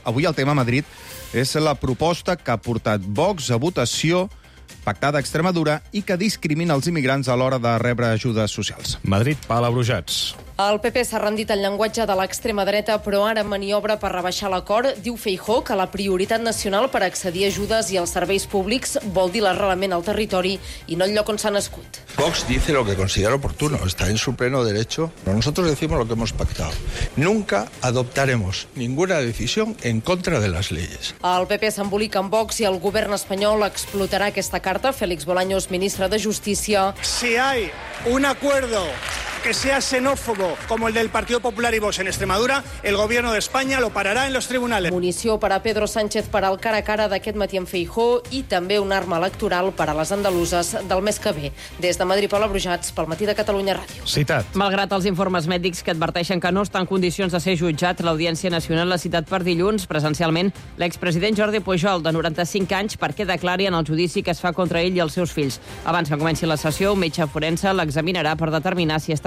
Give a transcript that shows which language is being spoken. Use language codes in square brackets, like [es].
[ca] Avui el tema a Madrid és la proposta que ha portat Vox a votació pactada a Extremadura i que discrimina els immigrants a l'hora de rebre ajudes socials. Madrid, palabrujats. El PP s'ha rendit al llenguatge de l'extrema dreta, però ara maniobra per rebaixar l'acord. Diu Feijóo que la prioritat nacional per accedir a ajudes i als serveis públics vol dir l'arrelament al territori i no el lloc on s'ha nascut. [es] Vox dice lo que considera oportuno, está en su pleno derecho, pero nosotros decimos lo que hemos pactado. Nunca adoptaremos ninguna decisión en contra de las leyes. [ca] El PP s'embolica amb Vox i el govern espanyol explotarà aquesta carta. Félix Bolaños, ministre de Justícia. [es] Si hay un acuerdo que sea xenófobo como el del Partido Popular y Vox en Extremadura, el gobierno de España lo parará en los tribunales. [ca] Munició per a Pedro Sánchez per al cara a cara d'aquest matí amb Feijóo i també una arma electoral per a les andaluses del mes que ve. Des de Madrid, Pol Abrujats, pel matí de Catalunya Ràdio. Citat. Malgrat els informes mèdics que adverteixen que no està en condicions de ser jutjat, l'Audiència Nacional l'ha citat per dilluns presencialment l'expresident Jordi Pujol, de 95 anys, perquè declari en el judici que es fa contra ell i els seus fills. Abans que comenci la sessió, un metge forense l'examinarà per determinar si està